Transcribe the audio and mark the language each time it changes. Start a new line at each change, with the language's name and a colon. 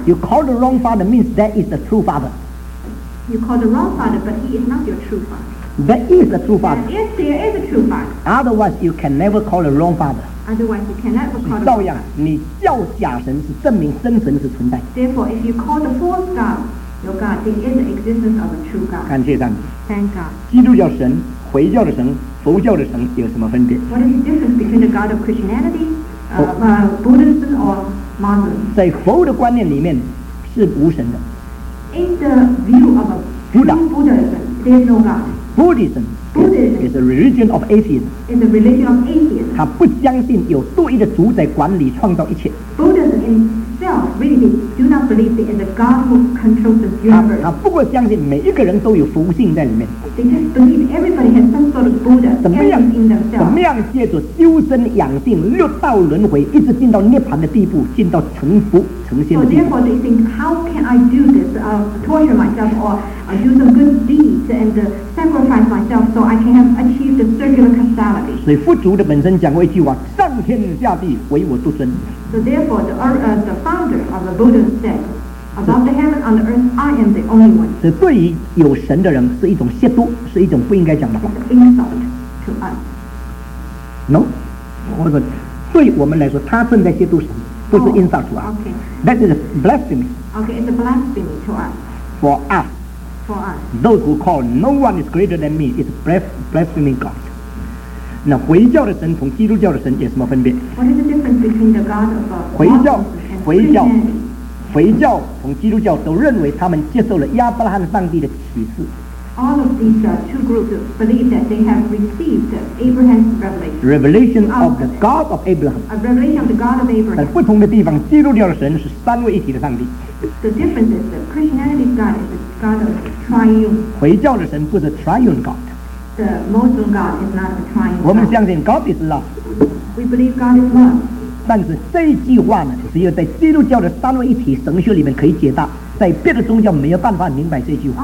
English: You call the wrong father means that is the true father. You call the wrong father, but he is not your true father. That is the true father. Yes, there is a true father. Otherwise, you can never call the wrong father. Otherwise, you cannot call the wrong father.
Chinese: 照样，你叫假神是证明真神是存在。
English: Therefore, if you call the false God, your God, there is the existence of a true God.
Chinese: 感谢上帝。
English: Thank God.
Chinese: 基督教神。回教的神、佛教的神有什么分别？
English: What is the difference between the God of Christianity, Buddhism or Muslim?
Chinese: 在佛的观念里面是无神的。
English: In the view of a Buddha, Buddhism, there is no God. Buddhism is a religion of atheism. Is a religion of atheism.
Chinese: 他不相信有独一的主宰管理创造一切。
English: Buddhism itself really do not believe there is a God who controls the universe.
Chinese: 他不过相信每一个人都有佛性在里面。
English: They just believe everybody has some sort of Buddha in themselves.
Chinese: 怎么样借着修身养性、六道轮回，一直进到涅槃的地步，进到成佛成仙的地步。
English: So therefore, they think, how can I do this? Torture myself or do some good deeds and sacrifice myself so I can achieve the circular causality.
Chinese: 所以佛祖的本身讲过一句话：上天下地，唯我独尊。
English: So therefore, the founder of the Buddha said. Above the heaven on the earth, I am the only one.
Chinese: 这对于有神的人是一种亵渎，是一种不应该讲的话。
English: It's an insult to us.
Chinese: No? 或者对我们来说，他正在亵渎神，不是
English: insult to us. Okay. That is a blasphemy. Okay, it's a blasphemy to us. For us. For us. Those who call no one is greater than me is blaspheming God.
Chinese: 那回教的神同基督教的神有什么分别？
English: What is the difference between the God of Muslims and Christianity?
Chinese: 回教同基督教都认为他们接受了亚伯拉罕上帝的启示。
English: all of these two groups believe that they have received Abraham's revelation. Revelation of the God of Abraham. A revelation of the God of Abraham.
Chinese: 在不同的地方, 基督教的神是三位一体的上帝。
English: The difference is that Christianity's God is the God of triune.
Chinese: 回教的神不是
English: triune God. The Muslim God is not a triune God.
Chinese: 我们相信
English: God is love. We believe God is love.
Chinese: 但是这一句话呢，只有在基督教的三位一体神学里面可以解答，在别的宗教没有办法明白这句话。